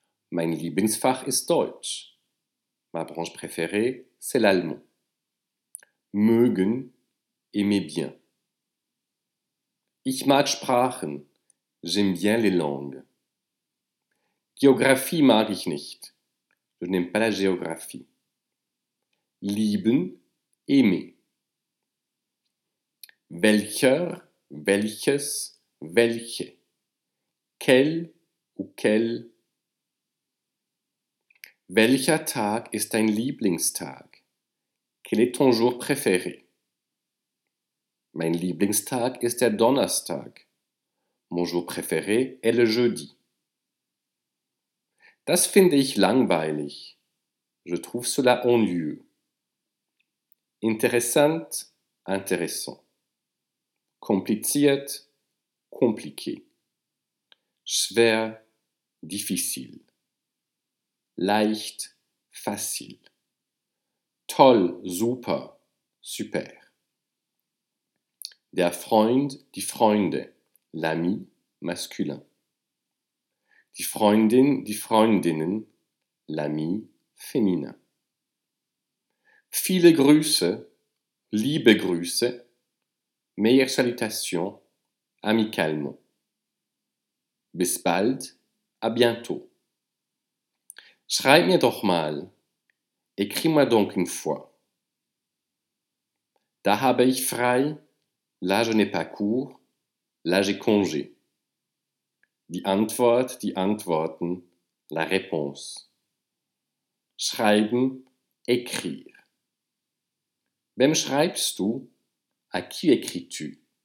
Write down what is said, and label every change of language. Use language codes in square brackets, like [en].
[de] Mein Lieblingsfach ist Deutsch. [fr] Ma branche préférée, c'est l'allemand. Mögen, aimer bien. [de] Ich mag Sprachen, [fr] j'aime bien les langues. [de] Geographie mag ich nicht. [fr] Je n'aime pas la géographie. [de] Lieben, aimer. Welcher, welches, welche. [fr] Quel ou quelle. [de] Welcher Tag ist dein Lieblingstag? [fr] Quel est ton jour préféré? [de] Mein Lieblingstag ist der Donnerstag. [fr] Mon jour préféré est le jeudi. [de] Das finde ich langweilig. [fr] Je trouve cela ennuyeux. [de] Interessant, intéressant. Kompliziert, compliqué. Schwer, difficile. Leicht, facile. Toll, super, super. Der Freund, die Freunde, [fr] l'ami, masculin. [de] Die Freundin, die Freundinnen, [fr] l'ami, féminin. [de] Viele Grüße, liebe Grüße, [fr] meilleure salutation, amicalement. [de] Bis bald, [fr] à bientôt. [de] Schreib mir doch mal, [fr] écris-moi donc une fois. [de] Da habe ich frei, [fr] là je n'ai pas cours, là j'ai congé. [de] Die Antwort, die Antworten, [fr] la réponse. [de] Schreiben, écrire. Wem schreibst du? [fr] À qui écris-tu?